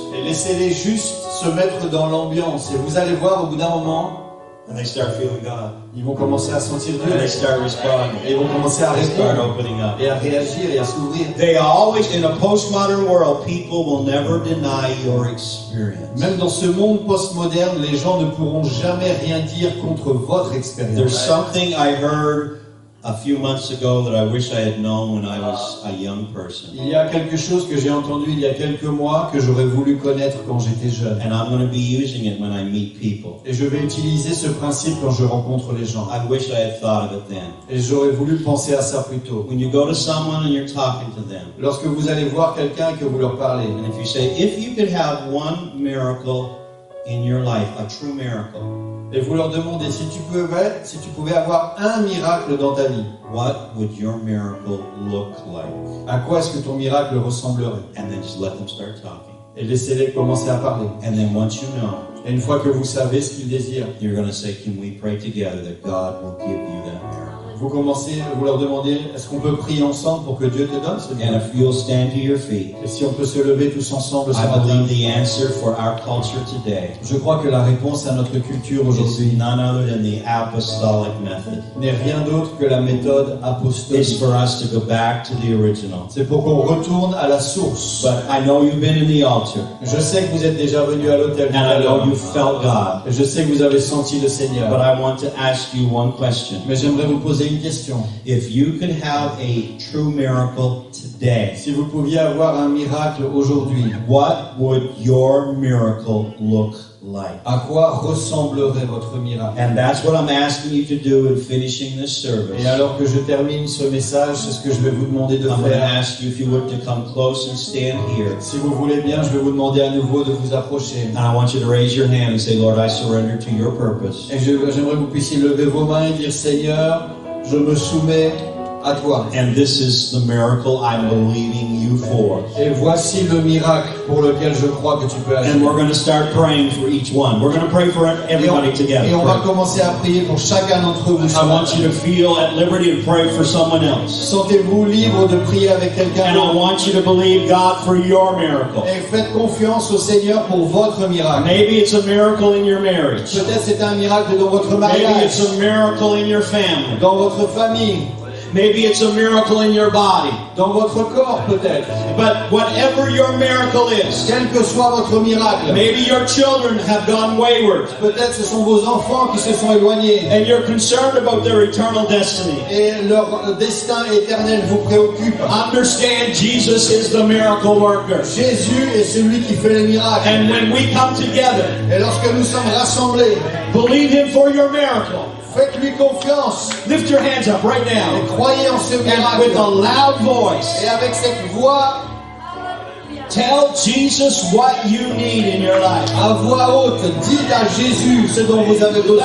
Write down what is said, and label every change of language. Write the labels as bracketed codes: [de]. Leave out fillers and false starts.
[fr] Et laissez-les juste se mettre dans l'ambiance. Et vous allez voir au bout d'un moment. [en] And they start feeling God. [fr] Ils vont commencer à sentir Dieu. [en] And they start responding. [fr] Et ils vont commencer à respirer. [en] Start opening up. [fr] Et à réagir et à s'ouvrir. [en] They always, in a postmodern world, people will never deny your experience. [fr] Même dans ce monde postmoderne, les gens ne pourront jamais rien dire contre votre expérience. [en] There's something I heard a few months ago that I wish I had known when I was a young person. [fr] Il y a quelque chose que j'ai entendu il y a quelques mois que j'aurais voulu connaître quand j'étais jeune. [en] And I'm going to be using it when I meet people. [fr] Et je vais utiliser ce principe quand je rencontre les gens. [en] I wish I had thought of it then. [fr] Et j'aurais voulu penser à ça plus tôt. [en] When you go to someone and you're talking to them. [fr] Lorsque vous allez voir quelqu'un et que vous leur parlez. [en] And if you say, if you could have one miracle in your life, a true miracle. [fr] Et vous leur demandez si tu pouvais avoir un miracle dans ta vie. [en] What would your miracle look like? [fr] À quoi est-ce que ton miracle ressemblerait? [en] And then just let them start talking. [fr] Et laissez-les commencer à parler. [en] And then once you know, [fr] et une fois que vous savez ce qu'ils désirent, [en] you're going to say, can we pray together that God will give you that miracle? [fr] Vous commencez, vous leur demandez, est-ce qu'on peut prier ensemble pour que Dieu te donne ce [en] bien? And if you'll stand to your feet, [fr] et si on peut se lever tous ensemble ce matin, [en] I believe the answer for our culture today, [fr] je crois que la réponse à notre culture aujourd'hui [en] is none other than the apostolic method. [fr] N'est rien d'autre que la méthode apostolique. [en] It's for us to go back to the original. [fr] C'est pour qu'on retourne à la source. [en] But I know you've been in the altar. [fr] Je sais que vous êtes déjà venu à l'autel. [en] And I know you felt God. [fr] Et je sais que vous avez senti le Seigneur. [en] But I want to ask you one question. [fr] Mais j'aimerais vous poser une question. [en] If you could have a true miracle today, [fr] si vous pouviez avoir un miracle aujourd'hui, [en] what would your miracle look like? [fr] À quoi ressemblerait votre miracle? [en] And that's what I'm asking you to do in finishing this service. [fr] Et alors que je termine ce message, c'est ce que je vais vous demander de [en] I'm [fr] faire. [en] I'm going to ask you if you would to come close and stand here. [fr] Si vous voulez bien, je vais vous demander à nouveau de vous approcher. [en] And I want you to raise your hand and say, Lord, I surrender to your purpose. [fr] Et j'aimerais que vous puissiez lever vos mains et dire, Seigneur, je me soumets à toi. [en] And this is the miracle I'm believing you for. [fr] Et voici le miracle pour lequel je crois que tu peux agir. [en] And we're going to start praying for each one. We're going to pray for everybody [fr] et on, [en] together. [fr] Et on va commencer à prier pour chacun d'entre vous. [en] I want you to feel at liberty to pray for someone else. [fr] Sentez-vous libre de prier avec quelqu'un. [en] And I want you to believe God for your miracle. [fr] Et faites confiance au Seigneur pour votre miracle. [en] Maybe it's a miracle in your marriage. [fr] Peut-être c'est un miracle dans votre mariage. [en] Maybe it's a miracle in your family. [fr] Dans votre famille. [en] Maybe it's a miracle in your body. [fr] Dans votre corps, peut-être. [en] But whatever your miracle is, [fr] quel que soit votre miracle, [en] maybe your children have gone wayward. [fr] Peut-être ce sont vos enfants qui se sont éloignés. [en] And you're concerned about their eternal destiny. [fr] Et leur destin éternel vous préoccupe. [en] Understand, Jesus is the miracle worker. [fr] Jésus est celui qui fait les miracles. [en] And when we come together, [fr] et lorsque nous sommes rassemblés, [en] believe him for your miracle. [fr] Faites-lui confiance. [en] Lift your hands up right now. [fr] Et croyez en ce miracle. [en] And with a loud voice. [fr] Et avec cette voix. [en] Tell Jesus what you need in your life. [fr] À voix haute, dites à Jésus ce dont vous avez besoin.